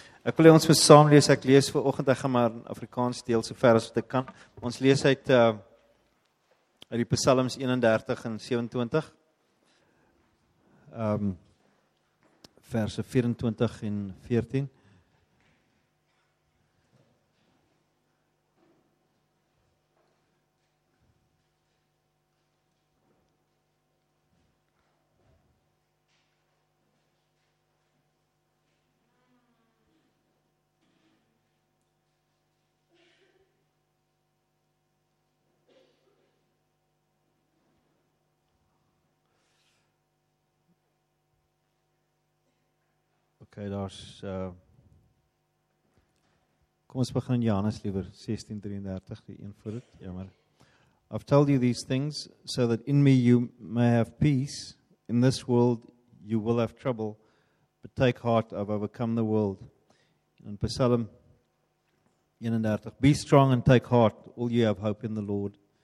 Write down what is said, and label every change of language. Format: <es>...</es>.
<af>Ek wil ons saam lees, ek lees vir oggend, ek gaan maar in Afrikaans deel so ver as wat ek kan. Ons lees uit uit die Psalms 31 en 27. Verse 24 en 14. Okay, kom ons begin Johannes liever 16:33, die een voor het, jammer.</af> <en>I've told you these things so that in me you may have peace. In this world you will have trouble, but take heart, I've overcome the world. In Psalm 31, be strong and take heart, all you have hope in the Lord.</en>